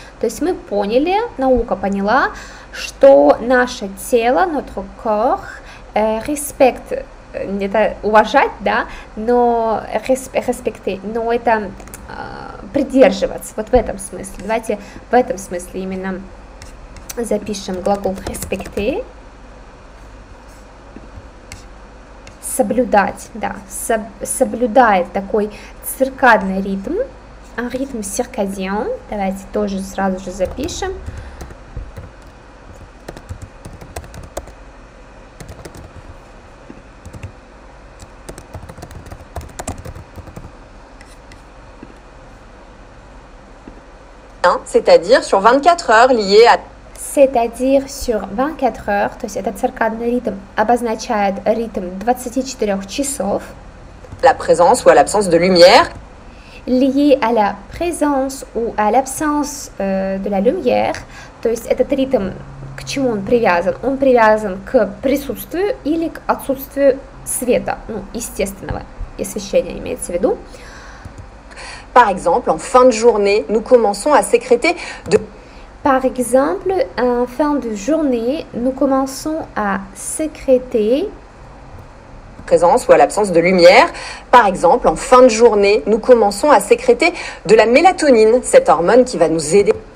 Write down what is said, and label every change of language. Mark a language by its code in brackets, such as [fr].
[ru] То есть мы поняли, наука поняла, что наше тело, [fr] notre corps [ru] респект, это уважать, да, но респектировать, но это придерживаться, вот в этом смысле. Давайте в этом смысле именно запишем глагол респекте. Соблюдать, да, соблюдает такой циркадный ритм, ритм циркадиан. Давайте тоже сразу же запишем. [fr] C'est-à-dire sur 24 heures lié à... C'est-à-dire sur 24 heures, [ru] то есть этот циркадный ритм обозначает ритм 24 часов. [fr] La présence ou à l'absence de lumière. Lié à la présence ou à l'absence de la lumière, [ru] то есть этот ритм, к чему он привязан? Он привязан к присутствию или к отсутствию света, ну, естественного освещения имеется в виду. [fr] Par exemple, en fin de journée, nous commençons à sécréter de... Par exemple, en fin de journée, nous commençons à sécréter... présence ou à l'absence de lumière. Par exemple, en fin de journée, nous commençons à sécréter de la mélatonine, cette hormone qui va nous aider...